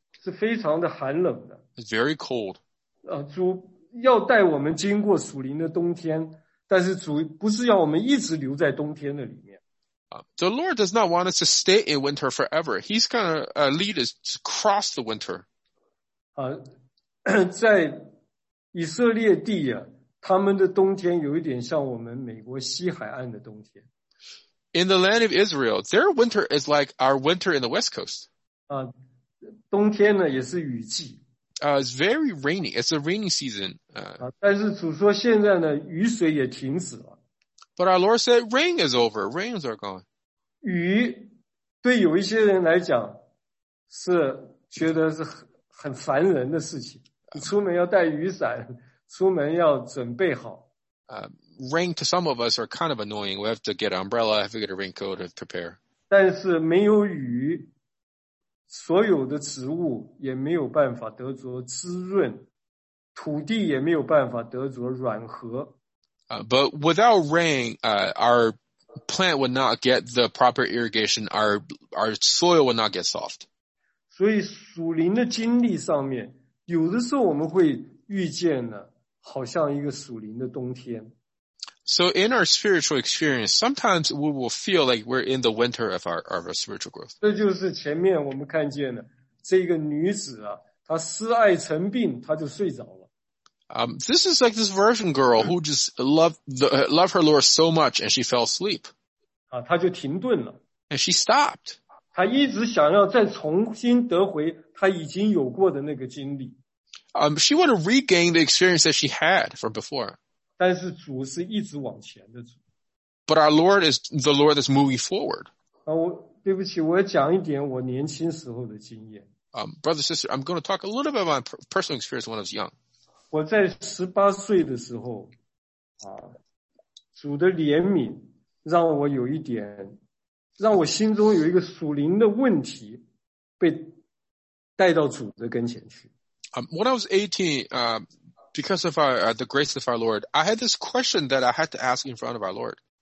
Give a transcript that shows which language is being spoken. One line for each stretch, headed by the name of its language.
Chinese: 是非常的寒冷的。
English: It's very cold.
Chinese: 主要带我们经过属灵的冬天，但是主不是要我们一直留在冬天的里面。
English: The Lord does not want us to stay in winter forever. He's going to lead us to cross the winter.
Chinese: 在以色列地啊，他们的冬天有一点像我们美国西海岸的冬天。
English: In the land of Israel, their winter is like our winter in the West Coast.
Chinese: 冬天呢也是雨季。
English: It's very rainy. It's a rainy season.
Chinese: 但是主说现在呢，雨水也停止了。
English: But our Lord said, rain is over. Rains are gone.
Chinese: 雨对有一些人来讲是觉得是很烦人的事情。你出门要带雨伞，出门要准备好。
English: Rain to some of us are kind of annoying. We have to get an umbrella, have to get a raincoat to prepare.
Chinese: 但是没有雨，所有的植物也没有办法得着滋润，土地也没有办法得着软和。
English: But without rain, our plant would not get the proper irrigation. Our soil would not get soft.
Chinese: 所以属灵的经历上面。有的时候我们会遇见呢，好像一个属灵的冬天。
English: So in our spiritual experience, sometimes we will feel like we're in the winter of our spiritual growth.
Chinese: 这就是前面我们看见的这个女子啊，她思爱成病，她就睡着了。
English: This is like this virgin girl who just loved her Lord so much and she fell asleep.
Chinese: 她就停顿了。
English: And she stopped.
Chinese: 他一直想要再重新得回他已经有过的那个经历。
English: She want to regain the experience that she had from before.
Chinese: 但是主是一直往前的主。
English: But our Lord is the Lord that's moving forward.
Chinese: 对不起，我要讲一点我年轻时候的经验。
English: Brother, sister, I'm going to talk a little bit about my personal experience when I was young.
Chinese: 我在18岁的时候，主的怜悯让我有一点让我心中有一个属灵的问题被带到主的跟前去。
English: When I was 18, because of the grace of our Lord, I had this question that I had to ask in front of our Lord.